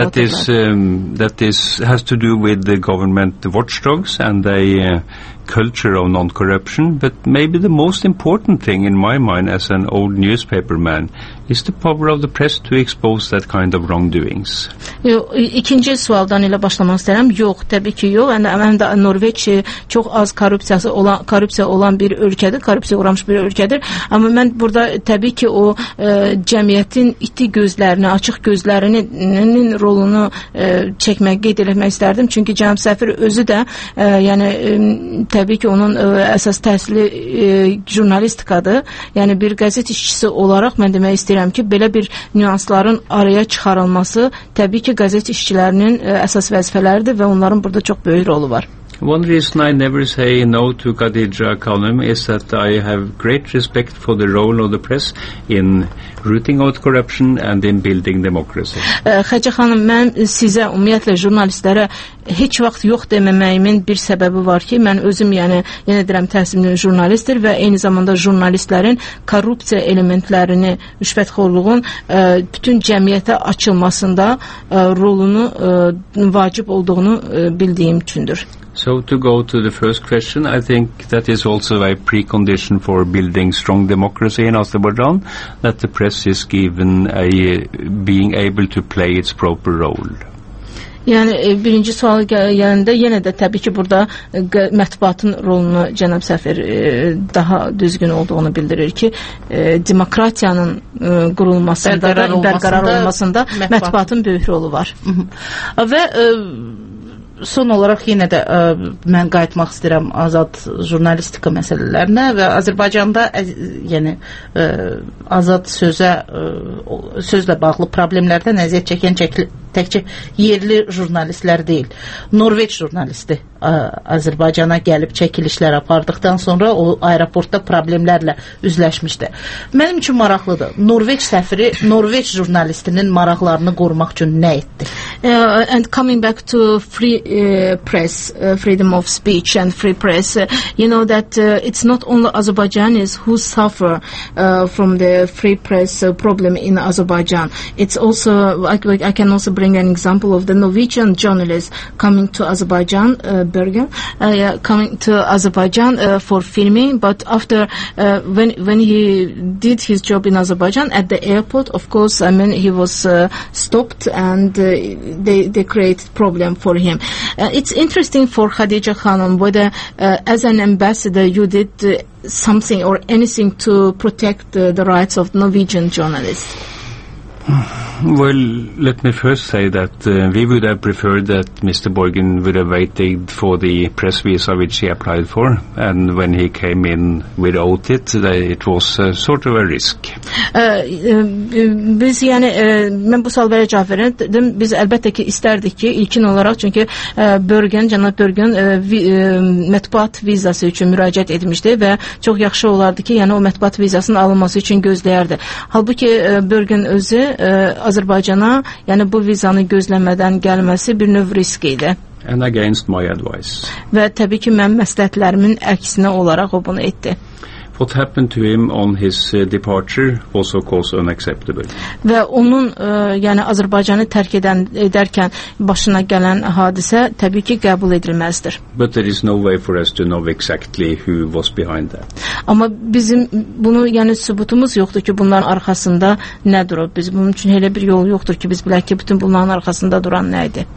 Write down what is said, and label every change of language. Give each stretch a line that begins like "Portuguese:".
English: that is that is has to do with the government watchdogs and a culture of non-corruption. But maybe the most important thing in my mind as an old newspaper man is the power of the press to expose that kind of wrongdoings.
Azerbaijani: İkinci sualdan ilə başlamaq istəyirəm. Yox, təbii ki yox. Həm də Norveç çox az korrupsiya olan bir ölkədir, korrupsiya uğramış bir ölkədir. Amma mən burada təbii ki o cəmiyyətin iti gözlərini, açıq gözlərinin rolunu çəkmək, qeyd etmək istərdim. Çünki Cənab Səfir özü də yəni təbii ki onun əsas təhsili jurnalistikadır. Yəni bir qəzet işçisi olaraq mən demək istəyirəm ki, belə bir nüansların araya çıxarılması təbii ki, qəzet işçilərinin əsas vəzifələridir və onların burada çox böyük rolu var.
English: One reason I never say no to Khadija Khanum is that I have great respect for the role of the press in rooting out corruption and in building democracy.
Azerbaijani: Khadija Khanum, mən sizə ümumiyyətlə jurnalistlərə heç vaxt yox deməməyimin bir səbəbi var ki, mən özüm yenə deyirəm təhsilli jurnalistdir və eyni zamanda jurnalistlərin korrupsiya elementlərini, rüşvətxorluğun bütün cəmiyyətə açılmasında rolunu vacib olduğunu bildiyim üçündür.
English: So to go to the first question, I think that is also a precondition for building strong democracy in Azerbaijan, that the press is given a being able to play its proper role.
Azerbaijani: Yəni birinci sual gələndə yenə də təbii ki burada mətbuatın rolunu cənab Səfir daha düzgün olduğunu bildirir ki demokratiyanın qurulmasında da bərqərar olmasında mətbuatın böyük rolu var. Və son olaraq yenə də mən qayıtmaq istəyirəm azad jurnalistika məsələlərinə və Azərbaycanda yəni azad sözə sözlə bağlı problemlərdən əziyyət çəkən təkcə yerli jurnalistlər deyil. Norveç jurnalisti Azərbaycana gəlib çəkilişlər apardıqdan sonra o aeroportda problemlərlə üzləşmişdi. Mənim üçün maraqlıdır. Norveç səfiri Norveç jurnalistinin maraqlarını qorumaq üçün nə etdi?
English: And coming back to free press, freedom of speech and free press, you know that it's not only Azerbaijanis who suffer from the free press problem in Azerbaijan. It's also, I can also bring an example of the Norwegian journalist coming to Azerbaijan, Bergen, coming to Azerbaijan for filming, but after when he did his job in Azerbaijan at the airport, of course, I mean, he was stopped and they created problem for him. It's interesting for Khadija Khanum whether as an ambassador you did something or anything to protect the rights of Norwegian journalists. Well, let me first say that we would have preferred that Mr. Borgen would have waited for the press visa which he applied for, and when he came in without it, it was sort of a risk.
Azerbaijani: Biz yani mən bu sualı cavab verirəm. Biz əlbəttə ki istərdik ki ilkin olaraq çünki Borgen, cənab Borgen mətbuat vizası üçün müraciət etmişdi və çox yaxşı olardı ki, yəni o mətbuat vizasının alınması üçün gözləyərdi. Halbuki Borgen özü Azərbaycana, yəni bu vizanı gözləmədən gəlməsi bir növ risk idi.
English: And against my advice.
Azerbaijani: Və təbii ki, mən məsləhətlərimin əksinə olaraq o bunu etdi.
English: What happened to him on his departure was of course unacceptable.
Azerbaijani: Və onun yəni Azərbaycanı tərk edərkən başına gələn hadisə təbii ki qəbul edilməzdir.
English: But there is no way for us to know exactly who was behind that.
Azerbaijani: Amma bizim bunu yəni sübutumuz yoxdur ki bunların arxasında nə durub. Biz bunun üçün elə bir yol yoxdur ki biz bilək ki bütün bunların arxasında duran nə idi.